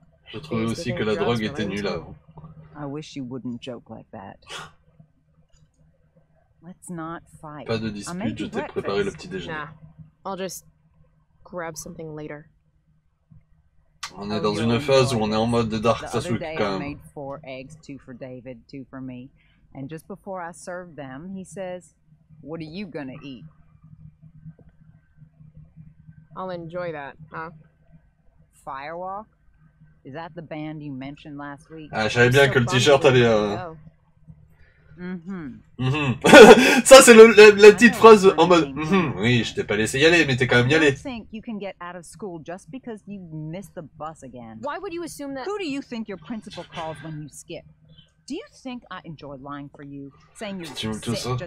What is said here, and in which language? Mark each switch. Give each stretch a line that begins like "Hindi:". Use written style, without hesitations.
French: Je trouvais aussi que la drogue était nulle avant.
English: I wish you wouldn't joke like that. Let's not fight.
French: Pas de dispute. Je t'ai préparé le petit déjeuner.
English: Nah. I'll just grab something later.
French: On est dans une phase où on est en mode de Dark Sasuke quand même.
English: I made 4 eggs, 2 for David, 2 for me. And just before I served them, he says, "What are you gonna eat?" I'll enjoy that, huh? Firewalk? Is that the band you mentioned last week?
French: Ah, j'avais bien que le t-shirt allait. Mhm. Ça c'est la petite phrase en mode oui, je t'ai pas laissé y aller, mais t'es quand même y allé.
English: You think you can get out of school just because you missed the bus again? Why would you assume that? Who do you think your principal calls when you skip? Do you think I enjoy lying for you, saying you're sick just so